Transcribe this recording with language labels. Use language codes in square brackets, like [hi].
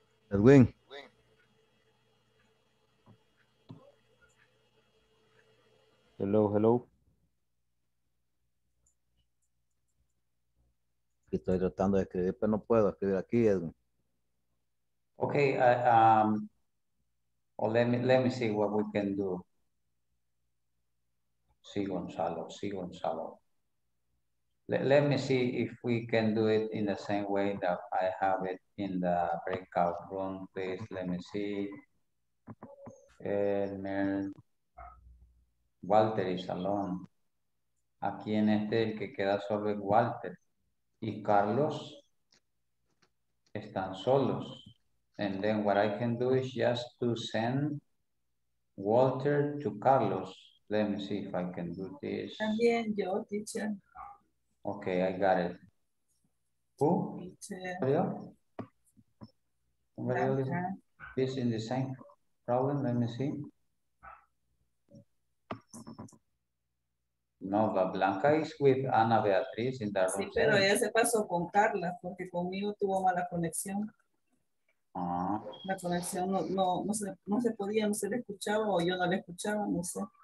[en] Edwin. Hello. [es] Estoy tratando de escribir, pero no puedo escribir aquí, Edwin. [en] Okay, let me see what we can do. [es] Sí, Gonzalo. [en] Let me see if we can do it in the same way that I have it in the breakout room, please. Let me see. Edmer. Walter is alone. [es] Aquí en este el que queda solo es Walter. Y Carlos están solos. [en] And then what I can do is just to send Walter to Carlos. Let me see if I can do this. [es] También yo, teacher. [en] Okay, I got it. Who? Teacher. This is the same problem. Let me see. No, but Blanca is with Ana Beatriz in the room. [es] Sí, pero ella se pasó con Carla porque conmigo tuvo mala conexión. Ah. La conexión no se podía, no se le escuchaba o yo no le escuchaba, no sé.